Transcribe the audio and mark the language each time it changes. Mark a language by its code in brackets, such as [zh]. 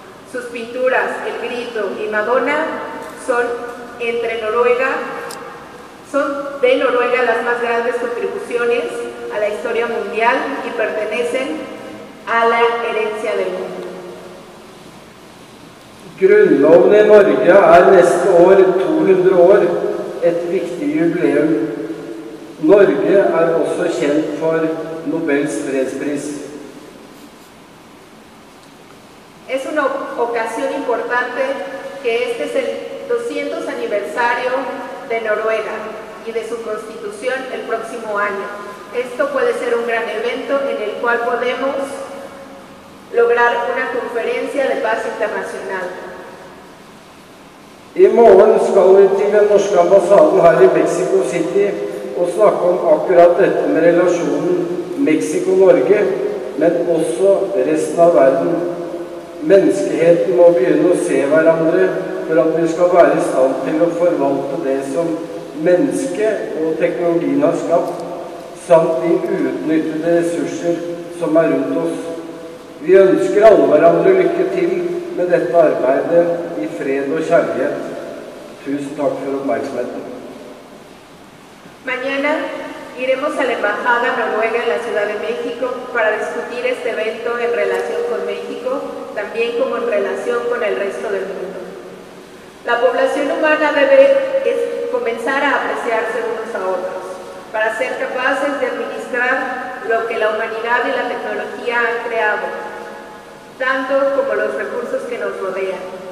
[es] Sus pinturas, El Grito y Madonna son de Noruega las más grandes contribuciones a la historia mundial y pertenecen a la herencia del mundo. [no] Grunnloven i Norge neste år 200 år, et viktig jubileum. Norge også kjent for Nobels fredspris. [es] Es una ocasión importante que este es el 200 aniversario de Noruega y de su constitución el próximo año. Esto puede ser un gran evento en el cual podemos lograr una conferencia de paz internacional. [no] I morgen skal vi til den norske ambassaden her i Mexico City og snakke om akkurat dette med relasjonen Mexico-Norge, men også resten av verden. Menneskeheten må begynne å se hverandre for at vi skal være i stand til å forvalte det som menneske og teknologien har skapt, samt de uutnyttede ressurser som rundt oss. Vi ønsker alle hverandre lykke til med dette arbeidet i fred og kjærlighet. Tusen takk for oppmerksomheten. [es] Mañana iremos a la Embajada Noruega en la Ciudad de México para discutir este evento en relación con México, también como en relación con el resto del mundo. La población humana debe comenzar a apreciarse unos a otros para ser capaces de administrar lo que la humanidad y la tecnología han creado, tanto como los recursos que nos rodean.